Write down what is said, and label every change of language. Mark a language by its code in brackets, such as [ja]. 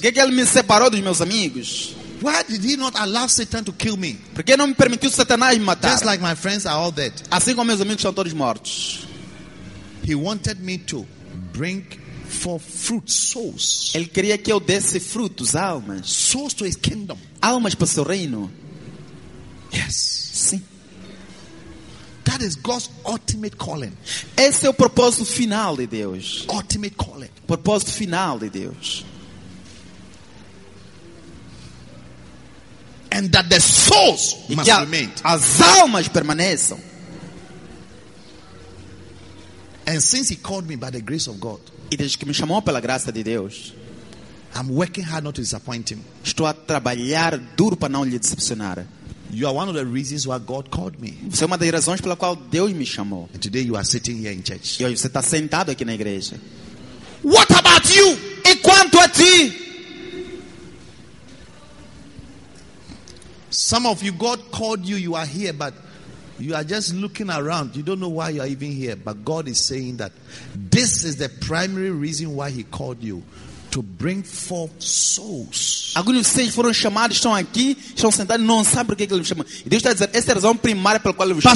[pt] Por que ele me separou dos meus amigos? [en] Why did he not allow Satan to kill me? [pt] Por que não me permitiu Satanás me matar? [en] Just like my friends are all dead. [pt] Assim como meus amigos são todos mortos. [en] He wanted me to bring for fruit souls. [pt] Ele queria que eu desse frutos, almas. [en] Souls to his kingdom. [pt] Almas para o seu reino. [en] Yes. [pt] Sim. [en] That is God's ultimate calling. [pt] Esse é o propósito final de Deus. [en] Ultimate calling. [pt] Propósito final de Deus. [en] And that the souls must remain. [pt] As almas permaneçam. [en] And since he called me by the grace of God, [pt] e desde que me chamou pela graça de Deus, [en] I'm working hard not to disappoint him. [pt] Estou a trabalhar duro para não lhe decepcionar. [en] You are one of the reasons why God called me. [pt] Você é uma das razões pela qual Deus me chamou. [en] And today you are sitting here in church. [pt] E hoje você está sentado aqui na igreja. [en] What about you? [pt] E quanto a ti? [en] Some of you, God called you. You are here, but you are just looking around. You don't know why you are even here. But God is saying that this is the primary reason why he called you. To bring forth souls. [pt] Alguns de vocês foram chamados, estão aqui, estão sentados, não sabem por que ele me chama. E Deus está dizendo, essa é a razão primária pela qual ele me chama.